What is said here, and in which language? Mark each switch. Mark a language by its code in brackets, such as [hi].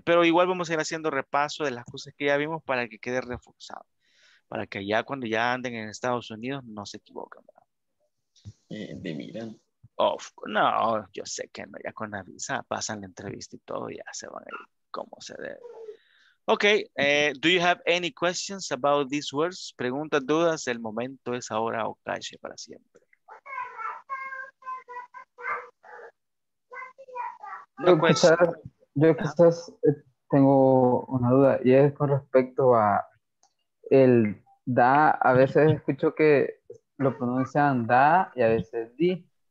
[es] Pero igual vamos a ir haciendo repaso de las cosas que ya vimos para que quede reforzado. Para que ya cuando ya anden en Estados Unidos no se equivoquen. De miran. Oh, no, yo sé que no, ya con la visa pasan la entrevista y todo, ya se van a ir como se debe. [en] Ok, do you have any questions about these words? [es] Preguntas, dudas, el momento es ahora o calle para siempre. No, yo quizás tengo una duda y es con respecto a el da, a veces escucho que lo pronuncian da y a veces di.